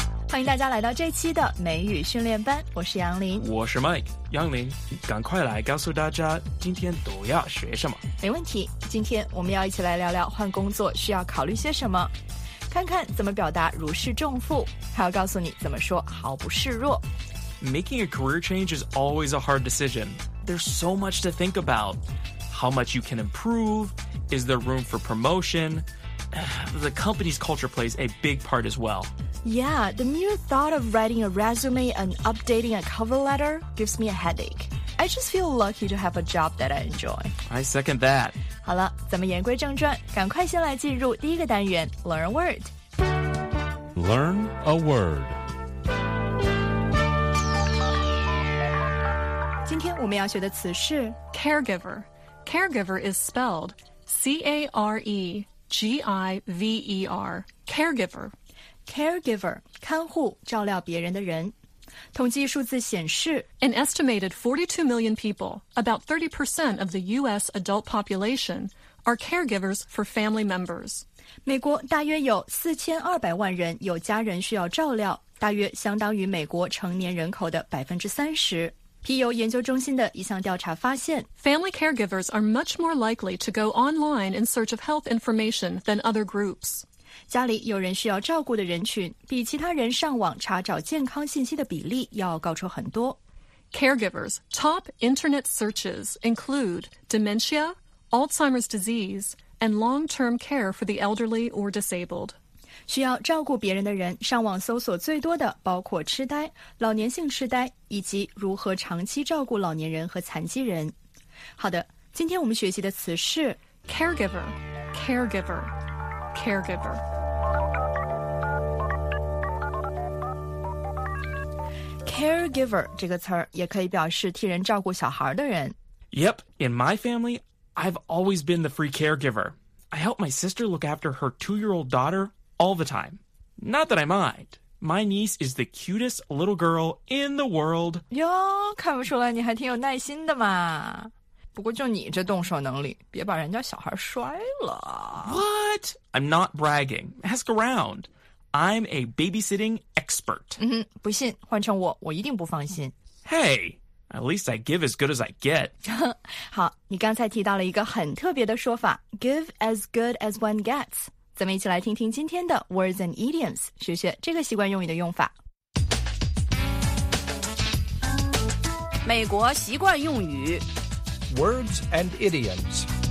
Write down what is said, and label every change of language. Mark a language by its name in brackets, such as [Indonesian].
[Chinese] 欢迎大家来到这期的美语训练班，我是杨林，我是 Mike。杨林，赶快来告诉大家今天都要学什么。没问题，今天我们要一起来聊聊换工作需要考虑些什么，看看怎么表达如释重负，还要告诉你怎么说毫不示弱。 [English] Making a career change is always a hard decision. There's so much to think about. How much you can improve? Is there room for promotion? The company's culture plays a big part as well. Yeah, the mere thought of writing a resume and updating a cover letter gives me a headache. I just feel lucky to have a job that I enjoy. I second that. [Chinese] 好了，咱们言归正传，赶快先来进入第一个单元 [English] Learn a Word. Learn a Word. [Chinese] 今天我们要学的词是 [English] caregiver. Caregiver is spelled C-A-R-E-G-I-V-E-R. Caregiver. [Chinese] Caregiver, 看护，照料别人的人。统计数字显示 [English] An estimated 42 million people, about 30% of the U.S. adult population, are caregivers for family members. [Chinese] 美国大约有4200万人有家人需要照料，大约相当于美国成年人口的 30%。皮尤研究中心的一项调查发现 [English] Family caregivers are much more likely to go online in search of health information than other groups. [Chinese] 家里有人需要照顾的人群比其他人上网查找健康信息的比例要高出很多。 [English] Caregivers, top internet searches include dementia, Alzheimer's disease, and long-term care for the elderly or disabled. [Chinese] 需要照顾别人的人上网搜索最多的包括痴呆、老年性痴呆以及如何长期照顾老年人和残疾人。好的，今天我们学习的词是 [English] caregiver, caregiver, caregiver。 [Chinese] caregiver 这个词儿也可以表示替人照顾小孩的人。 [English] Yep, in my family, I've always been the free caregiver. I helped my sister look after her two-year-old daughterAll the time. Not that I mind. My niece is the cutest little girl in the world. [Chinese] 哟，看不出来你还挺有耐心的嘛。不过就你这动手能力，别把人家小孩摔了。 [English] What? I'm not bragging. Ask around. I'm a babysitting expert. [Chinese] 不信，换成我，我一定不放心。 [English] Hey, at least I give as good as I get. [Chinese] 好，你刚才提到了一个很特别的说法 [English] give as good as one gets. [Chinese] 咱们一起来听听今天的 [English] Words and Idioms, [Chinese] 学学这个习惯用语的用法。美国习惯用语 [English] Words and Idioms。